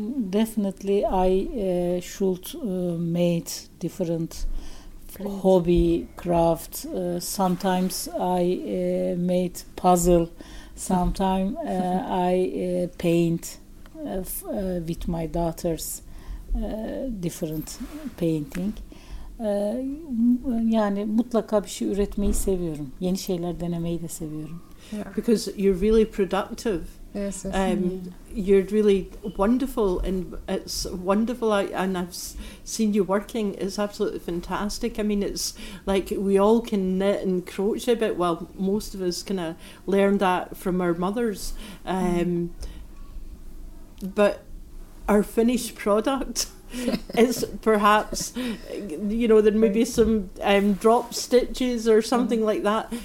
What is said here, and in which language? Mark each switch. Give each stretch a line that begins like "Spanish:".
English: Definitely, I should made different. Hobby, craft, sometimes I made puzzle, sometimes I paint with my daughters, different painting.
Turkish: Yani mutlaka bir şey üretmeyi seviyorum. Yeni şeyler denemeyi de seviyorum.
English: Yeah. Because you're really productive. Yes, you're really wonderful, and it's wonderful. And I've seen you working; it's absolutely fantastic. I mean, it's like we all can knit and crochet a bit. Well, most of us kind of learn that from our mothers, but our finished product is perhaps, you know, there may be some drop stitches or something like that.